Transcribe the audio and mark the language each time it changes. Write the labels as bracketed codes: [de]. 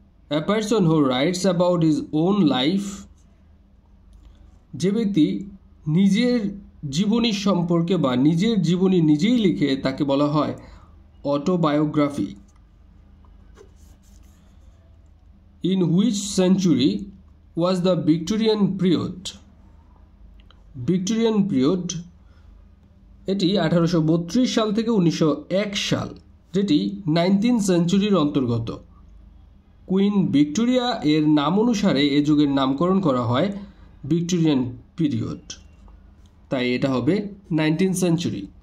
[en] A person who writes about his own life, [bn] যে ব্যক্তি নিজের জীবনী সম্পর্কে বা নিজের জীবনী নিজেই লিখে তাকে বলা হয় autobiography. [en] In which century was the Victorian period? [bn] Victorian period, এটি 1832 সাল থেকে 1901 সাল, যেটি 19th century-র অন্তর্গত। কুইন ভিক্টোরিয়া এর নাম অনুসারে এ যুগের নামকরণ করা হয় ভিক্টোরিয়ান পিরিয়ড, তাই এটা হবে 19th century।